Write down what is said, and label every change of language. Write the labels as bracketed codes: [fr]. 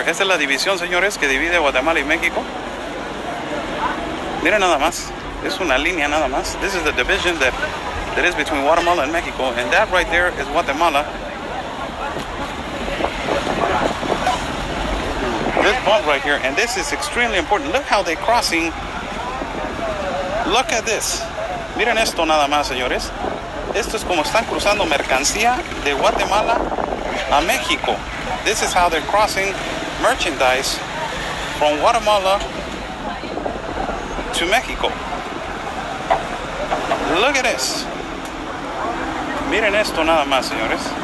[es] Esta es la división, señores, que divide Guatemala y México. Miren nada más. Es una línea nada más. [en] This is the division that is between Guatemala and Mexico. And that right there is Guatemala. This bump right here. And this is extremely important. Look how they're crossing. Look at this. [es] Miren esto nada más, señores. Esto es como están cruzando mercancía de Guatemala a México. [en] This is how they're crossing merchandise from Guatemala to Mexico. Look at this. [es] Miren esto nada más, señores.